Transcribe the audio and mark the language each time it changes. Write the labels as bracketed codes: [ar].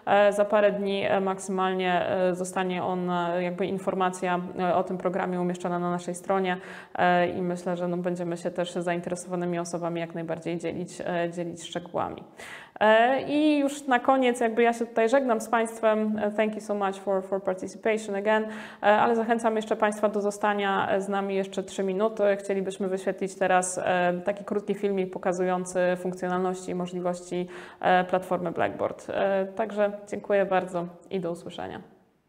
[pl] Za parę dni maksymalnie zostanie on jakby informacja o tym programie umieszczona na naszej stronie i myślę, że no, będziemy się też zainteresowanymi osobami jak najbardziej dzielić szczegółami. I już na koniec, jakby ja się tutaj żegnam z Państwem. [en] Thank you so much for participation again. [pl] Ale zachęcam jeszcze Państwa do zostania z nami jeszcze 3 minuty. Chcielibyśmy wyświetlić teraz taki krótki filmik pokazujący funkcjonalności i możliwości platformy Blackboard. Także dziękuję bardzo i do usłyszenia.